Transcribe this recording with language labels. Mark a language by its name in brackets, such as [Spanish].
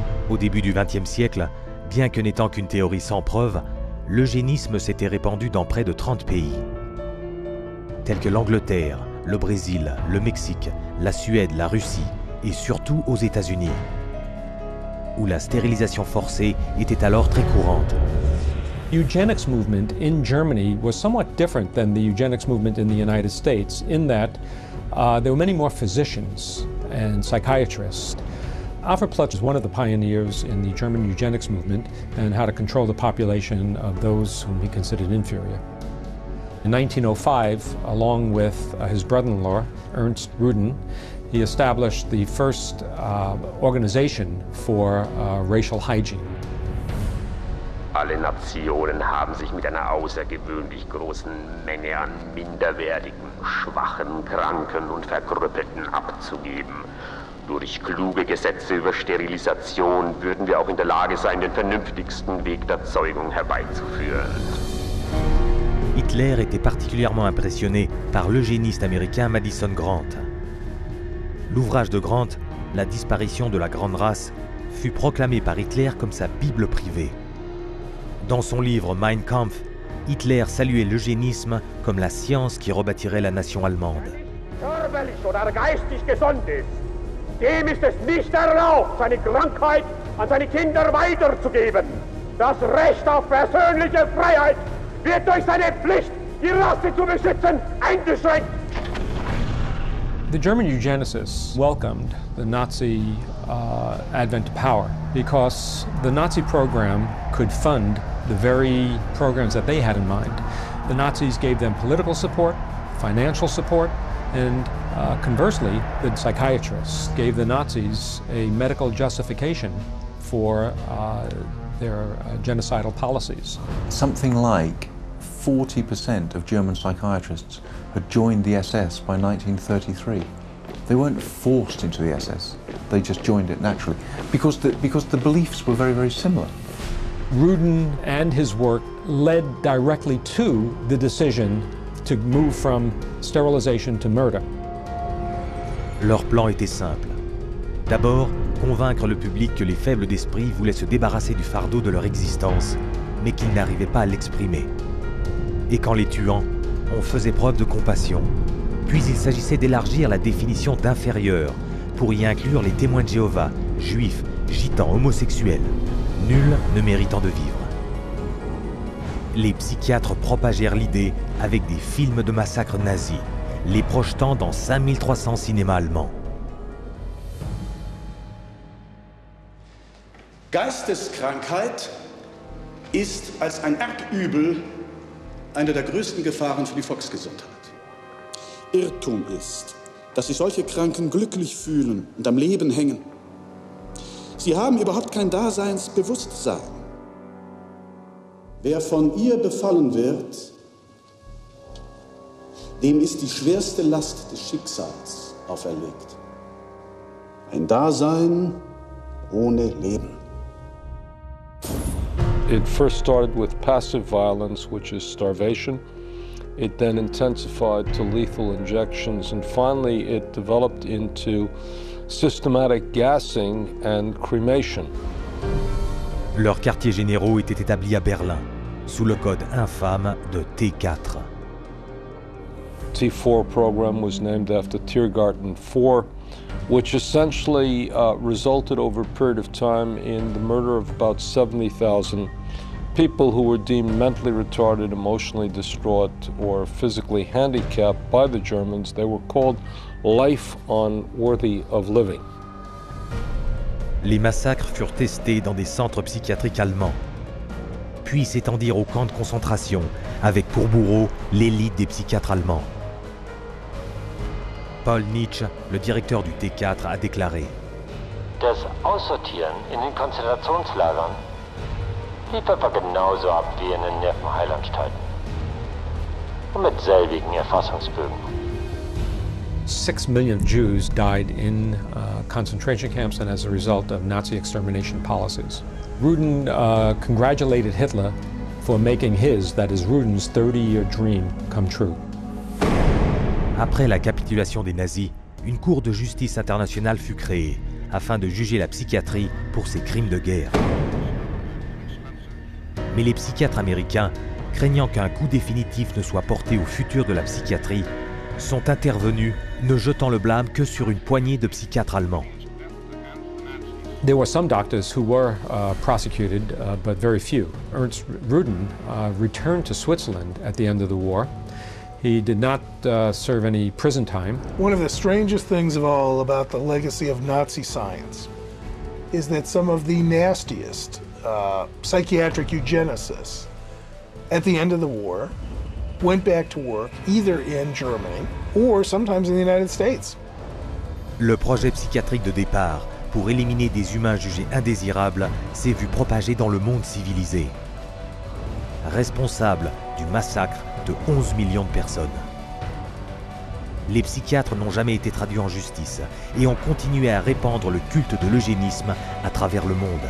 [French] Au début du XXe siècle, bien que n'étant qu'une théorie sans preuve, l'eugénisme s'était répandu dans près de 30 pays, tels que l'Angleterre, le Brésil, le Mexique, la Suède, la Russie et surtout aux États-Unis, où la stérilisation forcée était alors très courante. [English] The eugenics movement in Germany was somewhat different than the eugenics movement in the United States in that there were many more physicians and psychiatrists. Alfred Plutch is one of the pioneers in the German eugenics movement and how to control the population of those whom he considered inferior. In 1905, along with his brother-in-law, Ernst Rudin, he established the first organization for racial hygiene. [German] Alle Nationen haben sich mit einer außergewöhnlich großen Menge an minderwertigen, schwachen, kranken und verkrüppelten abzugeben. Durch kluge Gesetze über Sterilisation würden wir auch in der Lage sein, den vernünftigsten Weg der Zeugung herbeizuführen. [French] Hitler était particulièrement impressionné par l'eugéniste américain Madison Grant. L'ouvrage de Grant, La disparition de la grande race, fut proclamé par Hitler comme sa Bible privée. Dans son livre Mein Kampf, Hitler saluait l'eugénisme comme la science qui rebâtirait la nation allemande. [German] Dem ist es nicht erlaubt, seine Krankheit an seine Kinder weiterzugeben. Das Recht auf persönliche Freiheit wird durch seine Pflicht, die Rasse zu beschützen, eingeschränkt. [English] The German eugenicists welcomed the Nazi advent to power because the Nazi program could fund the very programs that they had in mind. The Nazis gave them political support, financial support, and conversely, the psychiatrists gave the Nazis a medical justification for their genocidal policies. Something like 40% of German psychiatrists had joined the SS by 1933. They weren't forced into the SS, they just joined it naturally, because the beliefs were very, very similar. Rudin and his work led directly to the decision to move from sterilization to murder. [French] Leur plan était simple. D'abord, convaincre le public que les faibles d'esprit voulaient se débarrasser du fardeau de leur existence, mais qu'ils n'arrivaient pas à l'exprimer. Et qu'en les tuant, on faisait preuve de compassion. Puis il s'agissait d'élargir la définition d'inférieur pour y inclure les témoins de Jéhovah, juifs, gitans, homosexuels, nul ne méritant de vivre. Les psychiatres propagèrent l'idée avec des films de massacres nazis, les projetant dans 5300 cinémas allemands. [German] Geisteskrankheit ist als ein Erbübel eine der größten Gefahren für die Volksgesundheit. Irrtum ist, dass sich solche Kranken glücklich fühlen und am Leben hängen. Sie haben überhaupt kein Daseinsbewusstsein. Wer von ihr befallen wird, dem ist die schwerste Last des Schicksals auferlegt. Ein Dasein ohne Leben. [English] It first started with passive violence, which is starvation. It then intensified to lethal injections, and finally it developed into systematic gassing and cremation. [French] Leurs quartiers généraux étaient établis à Berlin, sous le code infâme de T4. [English] T4 program was named after Tiergarten 4, which essentially resulted over a period of time in the murder of about 70,000 people who were deemed mentally retarded, emotionally distraught, or physically handicapped by the Germans. They were called life unworthy of living. [French] Les massacres furent testés dans des centres psychiatriques allemands, puis s'étendirent aux camps de concentration, avec pour bourreau l'élite des psychiatres allemands. Paul Nitsch, le directeur du T4, a déclaré: [German] Das Aussortieren in den Konzentrationslagern lief etwa genauso ab wie in den Nervenheilanstalten. Und mit selbigen Erfassungsbögen. [English] 6 million Jews died in concentration camps and as a result of Nazi extermination policies. Rudin congratulated Hitler for making his, that is Rudin's, 30-year dream come true. [French] Après la capitulation des nazis, une cour de justice internationale fut créée afin de juger la psychiatrie pour ses crimes de guerre. Mais les psychiatres américains, craignant qu'un coup définitif ne soit porté au futur de la psychiatrie, sont intervenus, ne jetant le blâme que sur une poignée de psychiatres allemands. [English] There were some doctors who were prosecuted, but very few. Ernst Rudin returned to Switzerland at the end of the war. He did not serve any prison time. One of the strangest things of all about the legacy of Nazi science is that some of the nastiest psychiatric eugenicists at the end of the war went back to work either in Germany or sometimes in the United States. [French] Le projet psychiatrique de départ pour éliminer des humains jugés indésirables s'est vu propager dans le monde civilisé. Responsable du massacre de 11 millions de personnes. Les psychiatres n'ont jamais été traduits en justice et ont continué à répandre le culte de l'eugénisme à travers le monde.